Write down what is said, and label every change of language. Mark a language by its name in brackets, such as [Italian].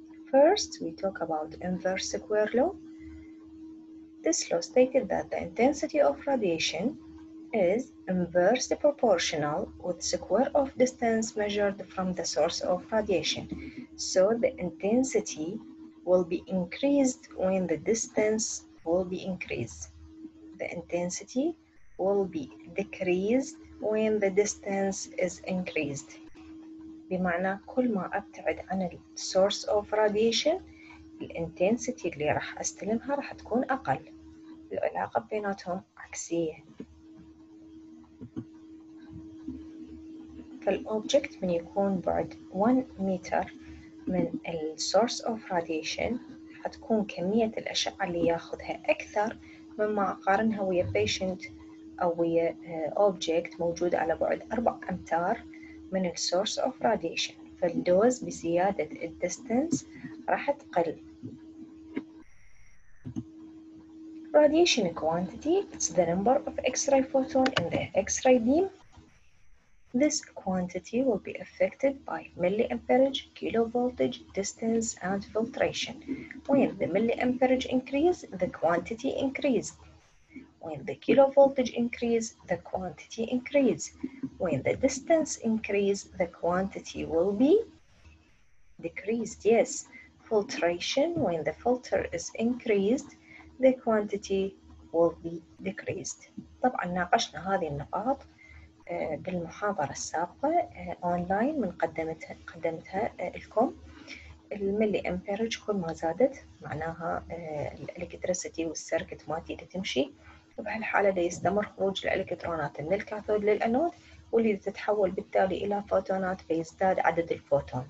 [English] First, we talk about inverse square law. This law stated that the intensity of radiation is inversely proportional with square of distance measured from the source of radiation. So the intensity will be increased when the distance will be increased. The intensity will be decreased when the distance is increased. [Arabic] بمعنى كل ما أبتعد عن الـ source of radiation الـ intensity اللي راح أستلمها راح تكون أقل. العلاقة بيناتهم عكسية. فالـ object من يكون بعد 1 meter من الـ source of radiation حتكون كمية الأشعة اللي ياخذها أكثر مما أقارنها ويا patient أو ويا object موجود على بعد 4 أمتار من الـ source of radiation. فالدوز بزيادة الـ distance راح تقل. [English] Radiation quantity is the number of X-ray photon in the X-ray beam. This quantity will be affected by milliamperage, kilovoltage, distance, and filtration. When the milliamperage increase, the quantity increase. When the kilovoltage increase, the quantity increase. When the distance increase, the quantity will be decreased. Yes, filtration, when the filter is increased, the quantity will be decreased. [Arabic] طبعا ناقشنا هذه النقاط بالمحاضرة السابقة أونلاين من قدمتها لكم. الملي أمبيرج كل ما زادت معناها الإلكتريسيتي والسيركت ما تقدر تمشي، وبهالحالة دا يستمر خروج الإلكترونات من الكاثود للأنود واللي تتحول بالتالي إلى فوتونات فيزداد عدد الفوتون.